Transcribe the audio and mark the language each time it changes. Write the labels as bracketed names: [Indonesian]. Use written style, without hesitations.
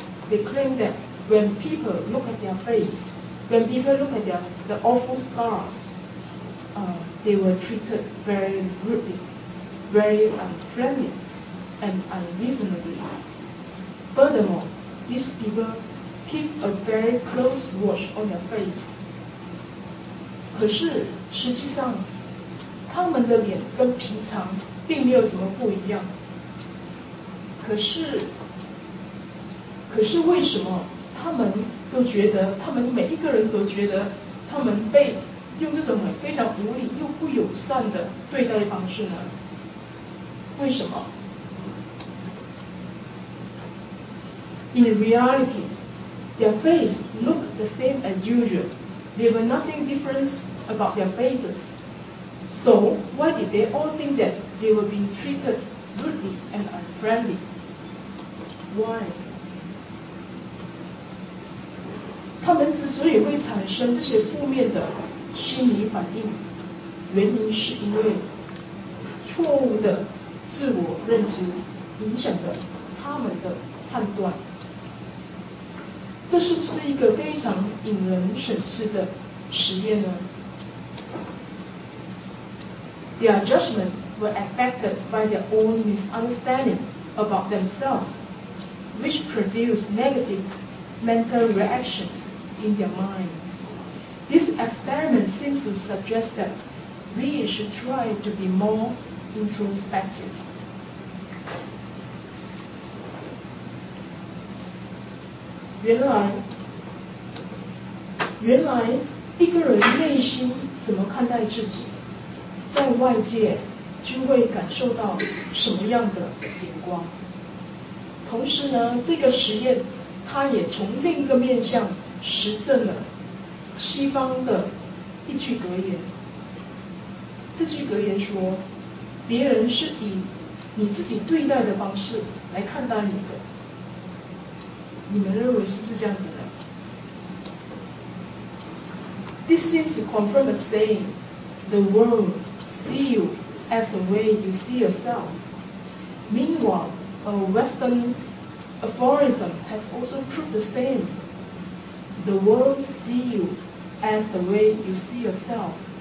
[English] They claimed that when people look at their face,When people look at the awful scars, they were treated very rudely, very unfriendly, and unreasonably. Furthermore, these people keep a very close watch on their face. [Chinese] 可是实际上，他们的脸跟平常并没有什么不一样。可是为什么？他们都觉得，他们每一个人都觉得，他们被用这种非常无理又不友善的对待方式呢？为什么 [English] ？In reality, their face looked the same as usual. There were nothing different about their faces. So why did they all think that they were being treated rudely and unfriendly? Why? [Chinese] 他们之所以会产生这些负面的心理反应，原因是因为错误的自我认知影响了他们的判断。这是不是一个非常引人深思的实验呢？ [English] Their judgment were affected by their own misunderstanding about themselves, which produced negative mental reactions. In their mind. This experiment seems to suggest that we should try to be more introspective. [Chinese] 原来一个人内心怎么看待自己，在外界就会感受到什么样的眼光。同时呢，这个实验它也从另一个面向实证了西方的一句格言。这句格言说，别人是以你自己对待的方式来看待你的。你们认为是不是这样子的？ [English] This seems to confirm a saying, the world sees you as the way you see yourself. Meanwhile, a Western aphorism has also proved the same. The world sees you as the way you see yourself.